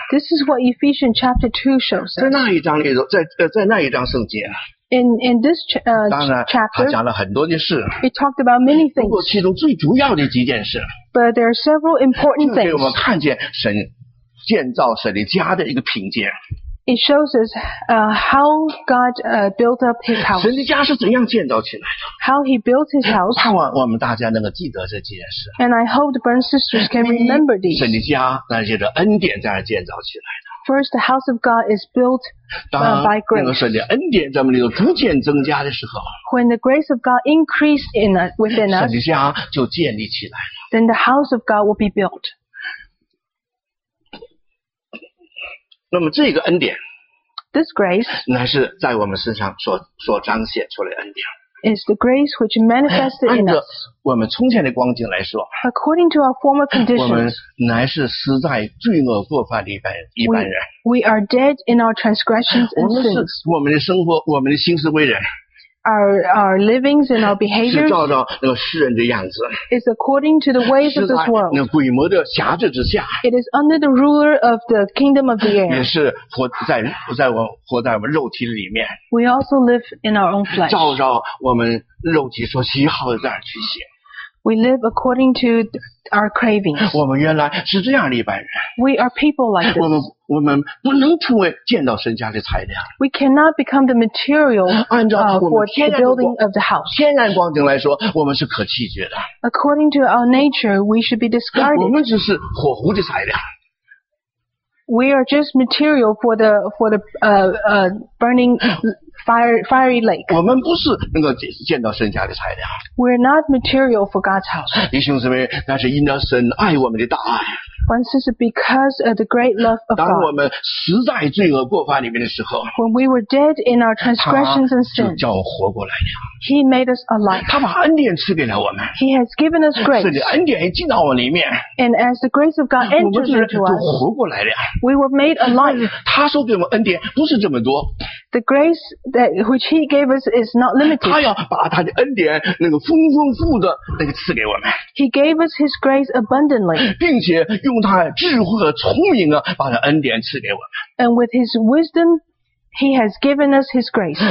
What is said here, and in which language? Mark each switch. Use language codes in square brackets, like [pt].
[en] This is what Ephesians chapter 2 shows us. [zh] 在那一章里头, 在那一章圣经。 [en] In this chapter, [zh] 他讲了很多的事。 [en] He talked about many things. [zh] 不过其中最主要的几件事。 [en] But there are several important things. [zh] 就给我们看见神建造神的家的一个凭借。 [en] It shows us how God built up His house. [zh] 神的家是怎样建造起来的 [en] ？How He built His house. [zh] 盼望我们大家能够记得这几件事。 [en] And I hope the brothers and sisters can remember these. [zh] 神的家那些的恩典在那建造起来的。 [en] First, the house of God is built by grace. [zh] 那个神的恩典在我们里头逐渐增加的时候 [en] ，When the grace of God increased in us, within us, [zh] 神的家就建立起来了。 [en] Then the house of God will be built. [zh] 那么这个恩典 [en] ，This grace, [zh] 乃是在我们身上所彰显出来的恩典。 [en] Is the grace which manifested in us. [zh] 按照我们从前的光景来说 [en] According to our former conditions, [zh] 我们乃是死在罪恶过犯的一般人 [en] We are dead in our transgressions and sins. [zh] 我们的生活我们的心思为人 [en] Our livings and our behaviors [zh] 是照着那个世人的样子 [en] Is according to the ways of this world. [zh] 是在那鬼魔的辖制之下 [en] It is under the ruler of the kingdom of the air. [zh] 也是活在我们肉体里面 [en] We also live in our own flesh. [zh] 照着我们肉体所喜好的在那去写 [en] We live according to our cravings. [zh] 我们原来是这样的一般人 [en] We are people like this. [zh] 我们不能成为建造神家的材料。 [en] We cannot become the material for the building of the house. [zh] 天然光景来说，我们是可弃绝的。 [en] According to our nature, we should be discarded. [zh] 我们只是火炉的材料。 [en] We are just material for the burning fiery lake. [zh] 我们不是那个建造神家的材料。 [en] We are not material for God's house. [zh] 弟兄姊妹，那是因着神爱我们的大爱。 [en] Once is because of the great love of God. [zh] 当我们死在罪恶过犯里面的时候 [en] ，When we were dead in our transgressions and sins, [zh] 他就叫我活过来了。 [en] He made us alive. [zh] 他把恩典赐给了我们。 [en] He has given us grace. [zh] 是的，恩典也进到我里面。 [en] And as the grace of God enters into us, [zh] 我们就活过来了。 [en] We were made alive. [zh] 他说给我们恩典不是这么多。 [en] The grace that which He gave us is not limited. [zh] 他要把他的恩典那个丰丰富的那个赐给我们。 [en] He gave us His grace abundantly. [zh] 并且用他智慧和聪明啊，把他恩典赐给我们。 [en] And with His wisdom, He has given us His grace.